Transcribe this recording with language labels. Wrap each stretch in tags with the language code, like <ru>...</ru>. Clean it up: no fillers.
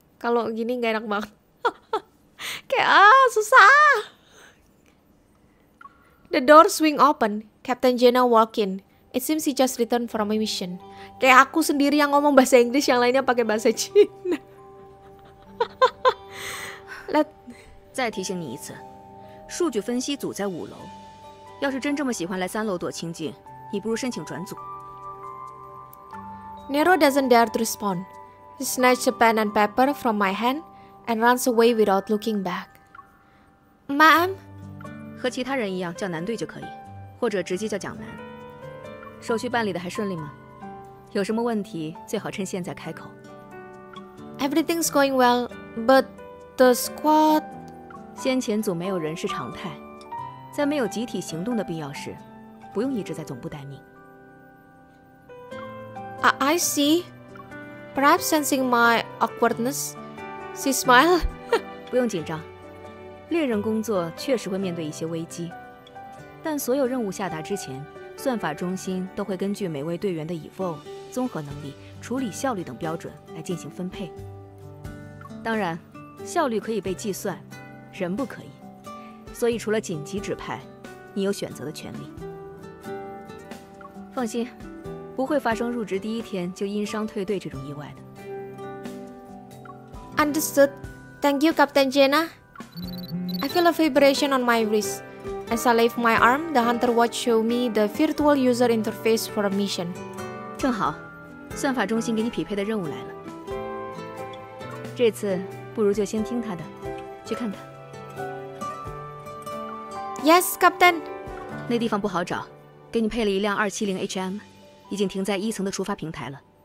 <id>Kalau gini gak enak banget. Kayak, susah.</id> <en>The door swing open. Captain Jenna walk in. It seems he just returned from a mission.</en> <id>Kayak aku sendiri yang ngomong bahasa Inggris, yang lainnya pakai bahasa Cina.</id> <en>Let</en> <zh>再提醒你一次，数据分析组在五楼。要是真这么喜欢来三楼躲清静，你不如申请转组。</zh> <en>Nero doesn't dare to respond. He snatches a pen and paper from my hand and runs away without looking back. Ma'am,</en> <zh>和其他人一样叫男队就可以，或者直接叫蒋男。手续办理的还顺利吗? 有什么问题最好趁现在开口。</zh> <en>Everything's going well, but the squad...</en> <zh>先前组没有人是常态, 在没有集体行动的必要时, 不用一直在总部待命。</zh> <en>I see. Perhaps sensing my awkwardness, she smiled.</en> <zh>不用紧张, 猎人工作确实会面对一些危机, 但所有任务下达之前, 算法中心都会根据每位队员的EVO、综合能力、处理效率等标准来进行分配。当然，效率可以被计算，人不可以。所以除了紧急指派，你有选择的权利。放心，不会发生入职第一天就因伤退队这种意外的。</zh> <en>Understood. Thank you, Captain Jenna. I feel a vibration on my wrist. As I lift my arm, the hunter watch show me the virtual user interface for a mission.</en> <zh>正好，算法中心给你匹配的任务来了。这次不如就先听他的，去看看。</zh> <en>Yes, Captain.</en> <zh>那地方不好找，给你配了一辆270HM， 已经停在一层的出发平台了。</zh>